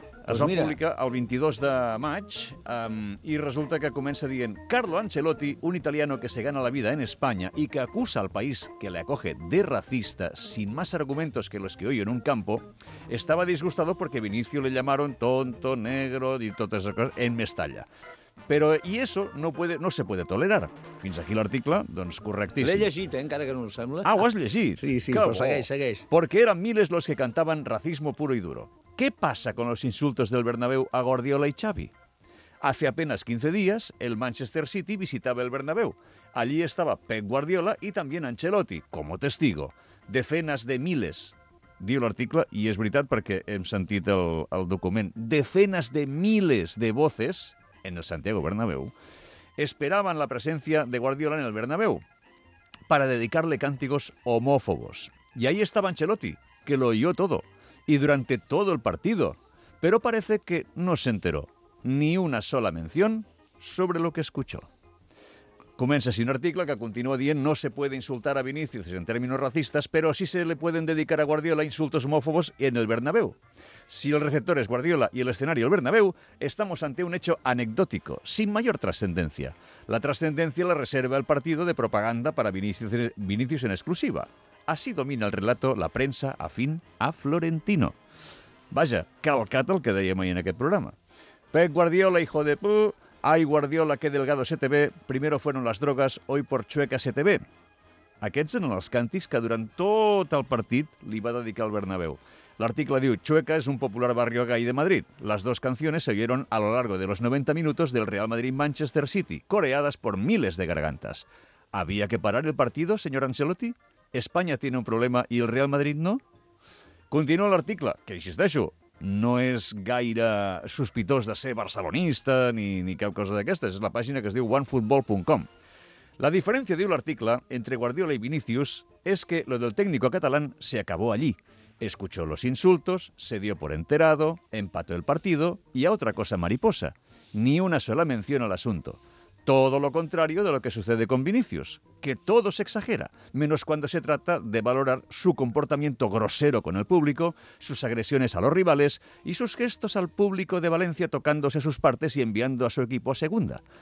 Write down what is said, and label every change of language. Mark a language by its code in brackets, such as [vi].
[ca] Es va publicar el 22 de maig i resulta que comença dient [es] «Carlo Ancelotti, un italiano que se gana la vida en España y que acusa al país que le acoge de racista sin más argumentos que los que oye en un campo, estaba disgustado porque a Vinicio le llamaron tonto, negro y todas esas cosas en Mestalla». [ca] Però, i això [es] no se puede tolerar. [ca] Fins aquí l'article, doncs, correctíssim. L'he llegit, encara que no ho sembla. Ah, ho has llegit? Sí, però segueix. [es] Porque eran miles los que cantaban racismo puro y duro. ¿Qué pasa con los insultos del Bernabéu a Guardiola y Xavi? Hace apenas 15 días, el Manchester City visitaba el Bernabéu. Allí estaba Pep Guardiola y también Ancelotti, como testigo. Decenas de miles, [ca] diu l'article, i és veritat perquè hem sentit el document. [es] Decenas de miles de voces... en el Santiago Bernabéu, esperaban la presencia de Guardiola en el Bernabéu para dedicarle cánticos homófobos. Y ahí estaba Ancelotti, que lo oyó todo, y durante todo el partido. Pero parece que no se enteró ni una sola mención sobre lo que escuchó. [ca] comença així un article que continua dient [es] no se puede insultar a Vinicius en términos racistas, pero sí se le pueden dedicar a Guardiola insultos homófobos en el Bernabéu. Si el receptor es Guardiola y el escenario el Bernabéu, estamos ante un hecho anecdótico, sin mayor trascendencia. La trascendencia la reserva el partido de propaganda para Vinicius en exclusiva. Así domina el relato la prensa afín a Florentino. [ca] Vaja, calcat el que dèiem ahir en aquest programa. [es] Pep Guardiola, hijo de pu, ay Guardiola, qué delgado se te ve, primero fueron las drogas, hoy por chueca se te ve. [ca] Aquests són els càntics que durant tot el partit li va dedicar el Bernabéu. L'article diu, Chueca és un popular [es] barrio gay de Madrid. [ca] Les dues [es] canciones se oyeron a lo largo de los 90 minutos del Real Madrid-Manchester City, coreadas por miles de gargantas. ¿Había que parar el partido, señor Ancelotti? ¿España tiene un problema y el Real Madrid no? [ca] Continua l'article, que insisteixo, no és gaire sospitós de ser barcelonista ni cap cosa d'aquestes. És la pàgina que es diu onefootball.com. La diferència, diu l'article, entre Guardiola i Vinicius és que [es] lo del técnico català se acabó allí. Escuchó los insultos, se dio por enterado, empató el partido y a otra cosa mariposa. Ni una sola mención al asunto. Todo lo contrario de lo que sucede con Vinicius, que todo se exagera, menos cuando se trata de valorar su comportamiento grosero con el público, sus agresiones a los rivales y sus gestos al público de Valencia tocándose sus partes y enviando a su equipo a segunda.